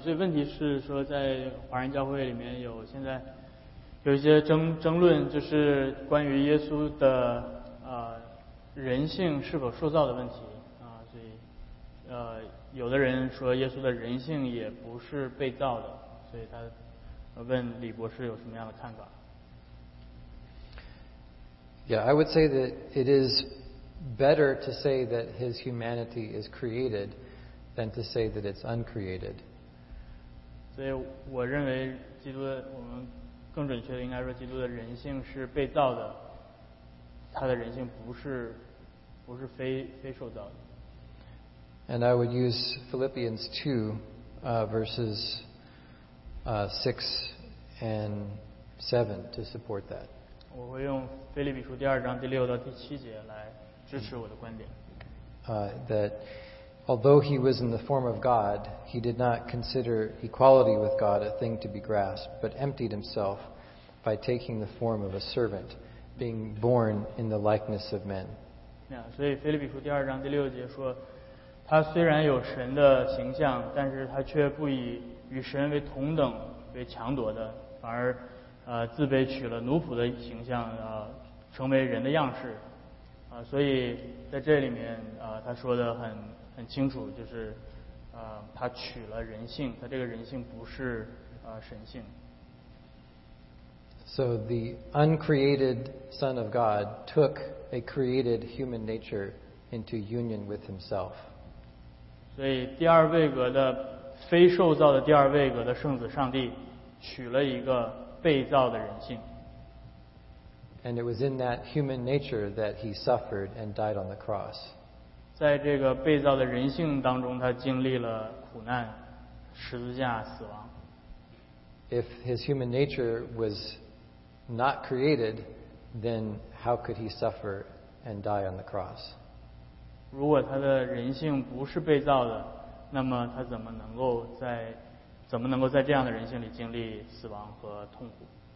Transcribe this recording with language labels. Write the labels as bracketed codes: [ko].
[zh] 所以问题是说，在华人教会里面有现在有一些争论，就是关于耶稣的人性是否塑造的问题啊。所以有的人说耶稣的人性也不是被造的，所以他问李博士有什么样的看法 [en] ？Yeah, I would say that it is. Better to say that his humanity is created than to say that it's uncreated. [zh] 所以我认为基督的我们更准确的应该说基督的人性是被造的，他的人性不是非受造的。 [en] And I would use Philippians 2, verses 6 and 7 to support that. [zh] 我会用腓立比书第二章第六到第七节来。 [en] That although he was in the form of God, he did not consider equality with God a thing to be grasped, but emptied himself by taking the form of a servant, being born in the likeness of men. [zh] Yeah, 所以腓立比书第二章第六节说，他虽然有神的形象，但是他却不以与神为同等为强夺的，反而自卑取了奴仆的形象，成为人的样式。所以在这里面他说的很清楚，就是他取了人性，他这个人性不是神性。 [en] So the uncreated Son of God took a created human nature into union with himself. [zh] 所以第二位格的非受造的第二位格的圣子上帝取了一个被造的人性。 [en] And it was in that human nature that he suffered and died on the cross. [zh] 在这个被造的人性当中，他经历了苦难、十字架、死亡。 [en] If his human nature was not created, then how could he suffer and die on the cross? [zh] 如果他的人性不是被造的，那么他怎么能够在这样的人性里经历死亡和痛苦？